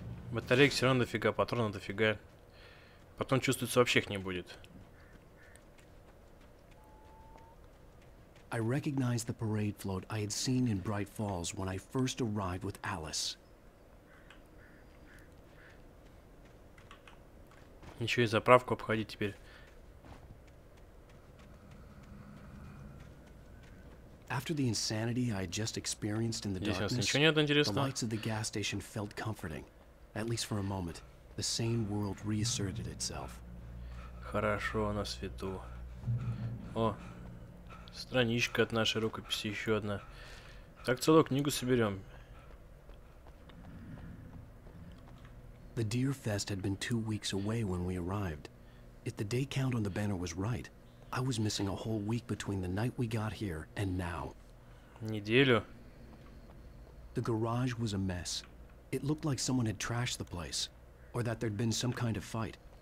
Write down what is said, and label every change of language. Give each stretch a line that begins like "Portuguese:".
Russian: Батареек все равно дофига, патрона дофига. Потом чувствуется вообще их не будет.
English: I recognized the parade float I had seen in Bright Falls when I first arrived with Alice.
Russian: Ничего, и заправку обходить теперь.
English: After the insanity I had just experienced in the darkness, the lights of the gas station felt comforting. At least for a moment, the sane world reasserted itself.
Russian: Хорошо, на свету. О, страничка от нашей рукописи, еще одна. Так, целую книгу соберем.
English: The Deer Fest had been 2 weeks away when we arrived. If the day count on the banner was right, I was missing a whole week between the night we got here and now.
Russian: Неделю.
English: The garage was a mess. It looked like someone had trashed the place, or that there'd been some kind of fight.